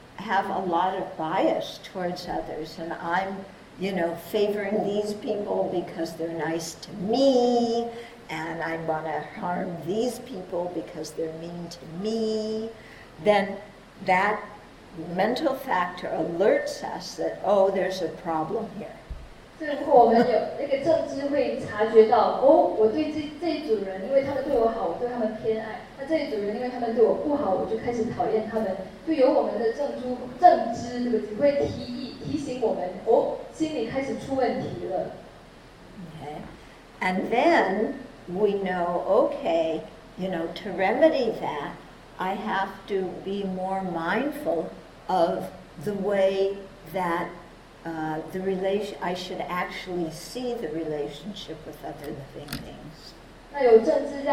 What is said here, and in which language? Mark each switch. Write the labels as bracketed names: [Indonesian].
[English] have a lot of bias towards others, and I'm, you know, favoring these people because they're nice to me, and I want to harm these people because they're mean to me, then that mental factor alerts us that, oh, there's a problem here. [Chinese] 就是如果我们有那个正知会察觉到，哦，我对这组人，因为他们对我好，我对他们偏爱；那这组人，因为他们对我不好，我就开始讨厌他们。就由我们的正知会提议，提醒我们，哦，心里开始出问题了。 [English] Okay. And then we know, okay, you know, to remedy that, I have to be more mindful of the way that I should actually see the relationship with other living things.